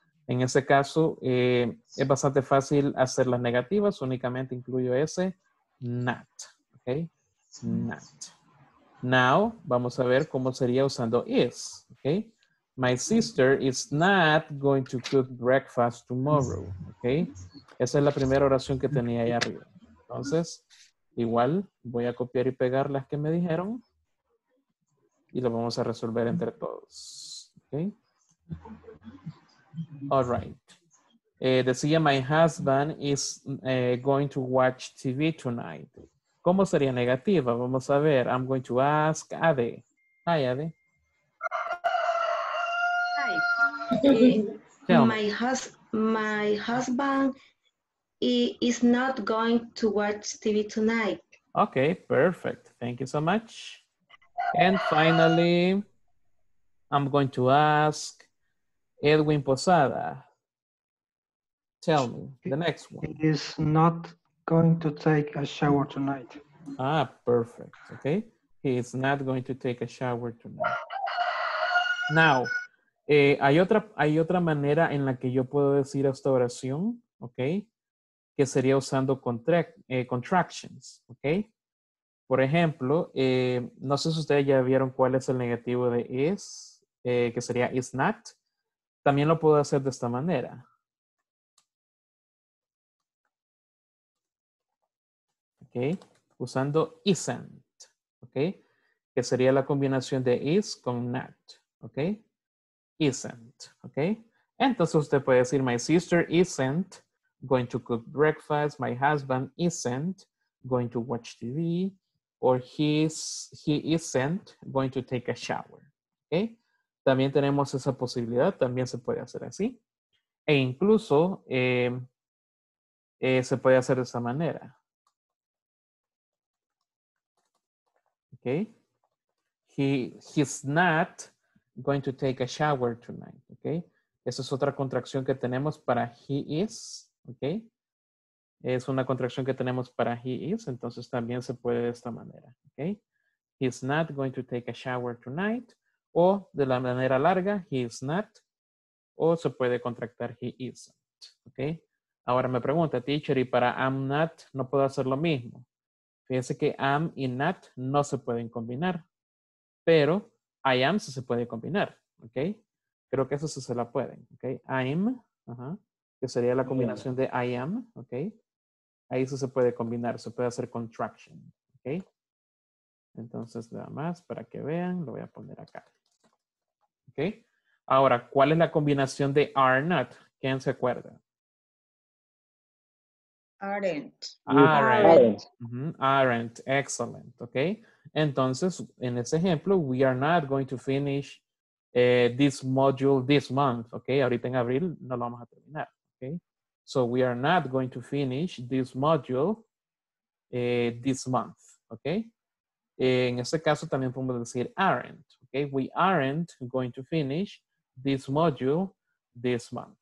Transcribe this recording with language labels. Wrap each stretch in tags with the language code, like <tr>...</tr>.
<es>En ese caso, es bastante fácil hacer las negativas. Únicamente incluyo ese. Not. Ok. Not.</es> <en>Now,</en> <es>vamos a ver cómo sería usando is. Ok.</es> <en>My sister is not going to cook breakfast tomorrow. Ok.</en> <es>Esa es la primera oración que tenía ahí arriba. Entonces, igual voy a copiar y pegar las que me dijeron. Y lo vamos a resolver entre todos. Ok.</es> <en>All right.</en> <es>Decía,</es> <en>my husband is going to watch TV tonight.</en> <es>¿Cómo sería negativa? Vamos a ver.</es> <en>I'm going to ask Ade. Hi, Ade. Hi. My husband is not going to watch TV tonight. Okay, perfect. Thank you so much. And finally, I'm going to ask Edwin Posada, tell me the next one. He is not going to take a shower tonight. Ah, perfect. Okay. He is not going to take a shower tonight. Now,</en> <es>hay otra manera en la que yo puedo decir esta oración, okay, que sería usando contractions, okay. Por ejemplo, no sé si ustedes ya vieron cuál es el negativo de is, que sería</es> <en>is not.</en> <es>También lo puedo hacer de esta manera. Ok. Usando isn't. Ok. Que sería la combinación de is con not. Ok. Isn't. Ok. Entonces usted puede decir,</es> <en>my sister isn't going to cook breakfast. My husband isn't going to watch TV. Or he isn't going to take a shower. Ok.</en> <es>También tenemos esa posibilidad. También se puede hacer así. E incluso se puede hacer de esa manera. Ok.</es> <en>He's not going to take a shower tonight. Ok.</en> <es>Esa es otra contracción que tenemos para</es> <en>he is.</en> <es>Ok. Es una contracción que tenemos para</es> <en>he is.</en> <es>Entonces también se puede de esta manera. Ok.</es> <en>He's not going to take a shower tonight.</en> <es>O de la manera larga,</es> <en>he is not.</en> <es>O se puede contractar,</es> <en>he isn't.</en> <es>¿Ok? Ahora me pregunta,</es> <en>teacher,</en> <es>y para</es> <en>am not,</en> <es>no puedo hacer lo mismo. Fíjense que am y not no se pueden combinar. Pero</es> <en>I am</en> <es>sí se puede combinar. ¿Ok? Creo que eso sí se la pueden. ¿Ok?</es> <en>I'm,</en> <es>que sería la combinación de I am. ¿Ok? Ahí sí se puede combinar, se puede hacer contraction. ¿Ok? Entonces, nada más para que vean, lo voy a poner acá. ¿Ok? Ahora, ¿cuál es la combinación de</es> <en>are not?</en> <es>¿Quién se acuerda?</es> <en>Aren't. Aren't. Aren't. Excellent. ¿Ok?</en> <es>Entonces, en ese ejemplo,</es> <en>we are not going to finish this module this month. ¿Ok?</en> <es>Ahorita en abril no lo vamos a terminar. ¿Ok?</es> <en>So, we are not going to finish this module this month. ¿Ok?</en> <es>En este caso también podemos decir</es> <en>aren't,</en> <es>ok.</es> <en>We aren't going to finish this module this month.</en>